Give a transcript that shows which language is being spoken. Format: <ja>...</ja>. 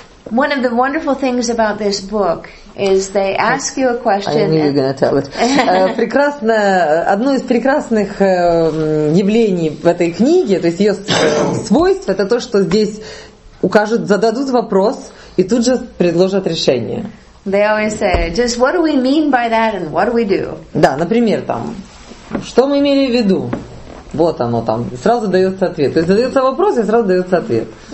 <en>One of the wonderful things about this book is they ask you a question. I knew you were going to tell it.</en> <ru>Одно из прекрасных явлений в этой книге, то есть ее свойств, это то, что здесь зададут вопрос и тут же предложат решение.</ru> <en>They always say, just what do we mean by that and what do we do?</en> <ru>Да, например, там, что мы имели в виду? Вот оно там, сразу дается ответ. То есть задается вопрос, и сразу дается ответ.</ru>